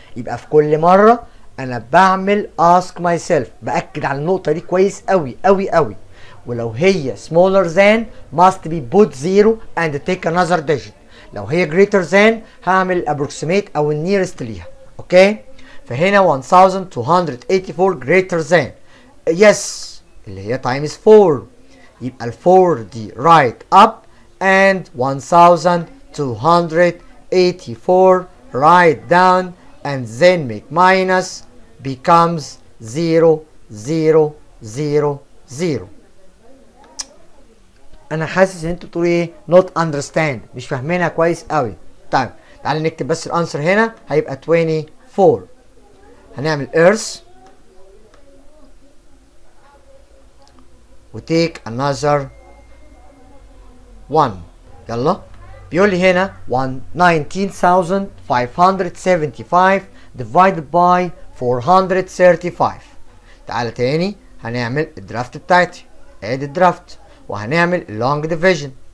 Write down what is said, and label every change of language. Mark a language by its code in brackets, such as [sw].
[ar] يبقى في كل مرة أنا بعمل ask myself. بأكد على النقطة دي كويس أوي أوي أوي. ولو هي smaller than [en] must be put zero and take another digit. [ar] لو هي [en] greater than [ar] هعمل approximate او nearest ليها. اوكي؟ فهنا 1284 greater than. [en] Yes. [ar] اللي هي times 4. يبقى ال 4 دي [en] right up and 1284 right down and then make minus becomes 0000. [ar] انا حاسس ان انتوا بتقولوا ايه [en] not understand [ar] مش فاهمينها كويس قوي. طيب تعال نكتب بس الانسر هنا هيبقى 24. هنعمل earth و [en] take another one. [ar] يلا بيقول لي هنا 19575 divided by 435. تعال تاني هنعمل الدرافت بتاعتي ادي الدرافت وهنعمل [en] long division.